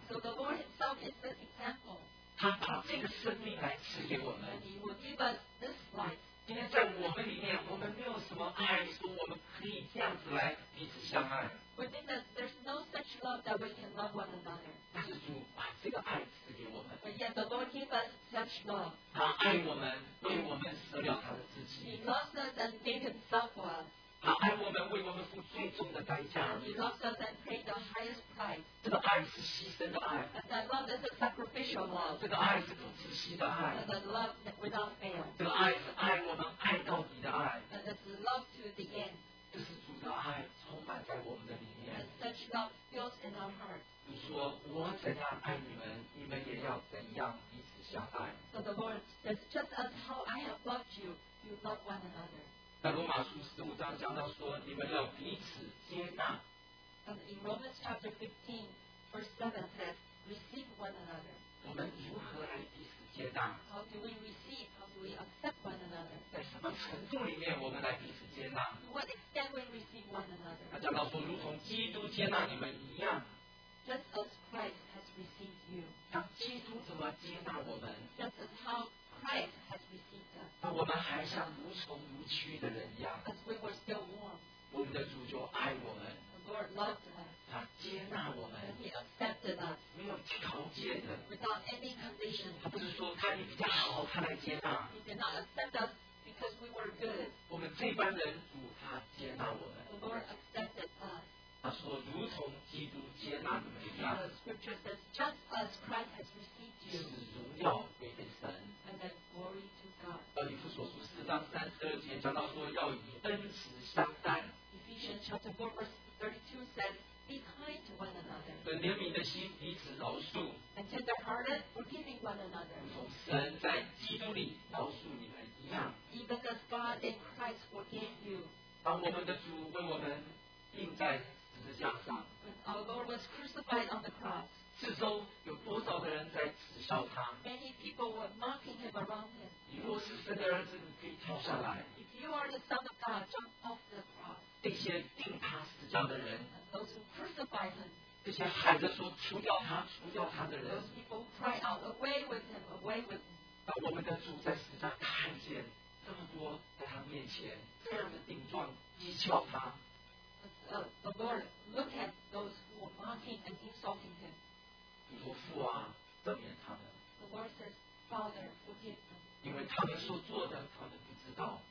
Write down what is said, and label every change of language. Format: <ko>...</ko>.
<en>So the Lord Himself is the example.</en> <zh>他把这个生命来赐给我们。</zh> <en>He will give us this life.</en> <zh>因为在我们里面，我们没有什么爱，说我们可以这样子来彼此相爱。</zh> <en>Within us, there's no such love that we can love one another.</en> <zh>但是主把这个爱赐给我们。</zh> <en>But yet the Lord gave us such love.</en> <zh>他爱我们，为我们舍了他的自己。</zh> <en>He loves us and gave Himself for us.</en> <zh>他爱我们，为我们付最重的代价。</zh> <en>He loves us and paid the highest price.</en> <zh>这个爱是牺牲的爱。</zh> <en>And that love is a sacrificial love.</en> <zh>这个爱是不窒息的爱。</zh> <en>And that love without fail.</en> <zh>这个爱是爱我们爱到底的爱。</zh> <en>And that's love to the end.</en> <zh>这是主的爱充满在我们的里面。</zh> <en>And such love fills in our heart.</en> <zh>主说，我怎样爱你们，你们也要怎样彼此相爱。</zh> <en>So the Lord says, just as how I have loved you, you love one another.</en> <zh>在罗马书十五章讲到说，你们要彼此接纳。</zh> <en>And in Romans chapter 15, verse 7 says, receive one another.</en> <zh>我们如何来彼此接纳？</zh> <en>How do we receive? How do we accept one another?</en> <zh>在什么程度里面我们来彼此接纳？</zh> <en>What extent we receive one another?</en> <zh>他讲到说，如同基督接纳你们一样。</zh> <en>Just as Christ has received you.</en> <zh>像基督怎么接纳我们？</zh> <en>Just as how Christ has received us.</en> <zh>那我们还像如同如蛆的人一样。</zh> <en>As we were still warm.</en> <zh>我们的主就爱我们。</zh> <en>The Lord loved us.</en> <zh>他接纳我们。</zh> <en>And He accepted us.</en> <zh>没有条件的。</zh> <en>Without any condition.</en> <zh>他不是说看你比较好，他来接纳。</zh> <en>He did not accept us because we were good.</en> <zh>我们这般人主他接纳我们。</zh> <en>The Lord accepted us.</en> <zh>他说如同基督接纳你们一样。</zh> <en>The scripture says, just as Christ has received you.</en> <zh>是荣耀给神。</zh> <en>And then glory to God.</en> <zh>以弗所书四章三十二节讲到说要以恩慈相待。</zh> <en>Ephesians chapter 4 verse 32 says, be kind to one another.</en> <zh>本怜悯的心彼此饶恕。</zh> <en>And tender hearted, forgiving one another.</en> <zh>如同神在基督里饶恕你们一样。</zh> <en>Even as God in Christ forgave you.</en> <zh>当我们的主为我们钉在十字架上。</zh> <en>When our Lord was crucified on the cross,</en> <zh>四周有多少的人在耻笑他？</zh> <en>Many people were mocking him around him.</en> <zh>你若是神的儿子，你可以跳下来。</zh> <en>If you are the Son of God, jump off the cross.</en> <zh>这些钉他十字架的人，</zh> <en>those who crucified him,</en> <zh>这些喊着说除掉他、除掉他的人，</zh> <en>those people cry out, away with him, away with him.</en> <zh>当我们的主在十字架看见这么多在他面前这样的顶撞、讥笑他。</zh> <en>The Lord look at those who are mocking and insulting him.</en> <zh>你说父啊，赦免他们。</zh> <en>The Lord says, Father, forgive them.</en> <zh>因为他们所做的，他们不知道。</zh>